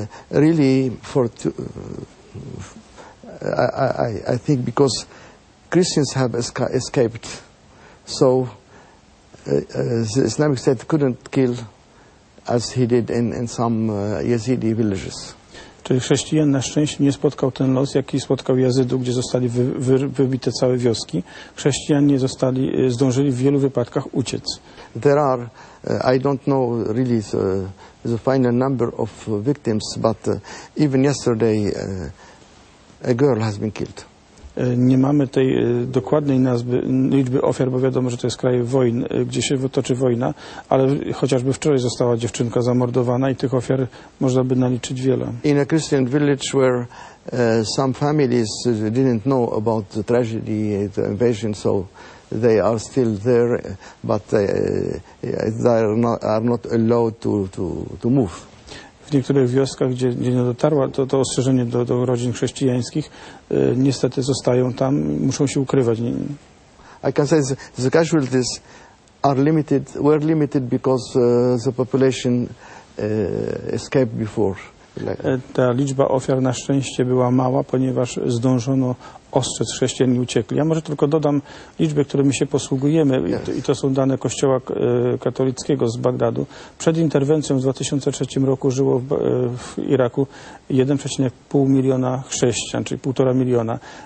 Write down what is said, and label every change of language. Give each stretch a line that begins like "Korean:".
English: Really, I think because Christians have escaped, so the Islamic State couldn't kill as he did in some Yazidi villages.
Polish: Czyli chrześcijan na szczęście nie spotkał ten los, jaki spotkał Jazydów, gdzie zostali wybite całe wioski. Chrześcijanie zdążyli w wielu wypadkach uciec.
English: There are, I don't know really the final number of victims, but even yesterday a girl has been killed.
Polish: Nie mamy tej dokładnej nazwy, liczby ofiar, bo wiadomo, że to jest kraj wojny, gdzie się toczy wojna, ale chociażby wczoraj została dziewczynka zamordowana i tych ofiar można by naliczyć wiele.
English: In a Christian village where some families didn't know about the tragedy, the invasion, so they are still there, but they are not allowed to move.
Polish: W niektórych wioskach, gdzie nie dotarła, to ostrzeżenie do rodzin chrześcijańskich, niestety zostają tam, muszą się ukrywać.
English: I can say the casualties were limited because the population escaped before.
Polish: Ta liczba ofiar na szczęście była mała, ponieważ zdążono ostrzec chrześcijan i uciekli. Ja może tylko dodam liczby, którymi się posługujemy, i to są dane kościoła katolickiego z Bagdadu. Przed interwencją w 2003 roku żyło w Iraku 1,5 miliona chrześcijan, czyli 1,5 miliona.